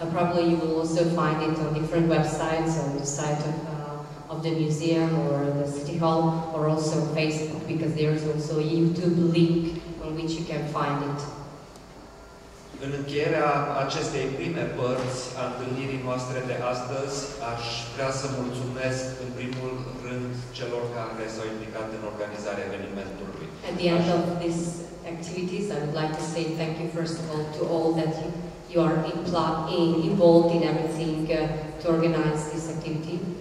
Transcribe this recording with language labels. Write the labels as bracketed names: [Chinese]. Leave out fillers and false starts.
[English] Probably you will also find it on different websites, on the site of the museum or the City Hall, or also Facebook, because there is also a YouTube link on which you can find it. [Romanian] În încheierea acestei prime părți a întâlnirii noastre de astăzi, aș vrea să mulțumesc în primul rând celor care s-au implicat în organizarea evenimentului. [English] At the end of these activities, I would like to say thank you first of all to all that you are involved in everything to organize this activity.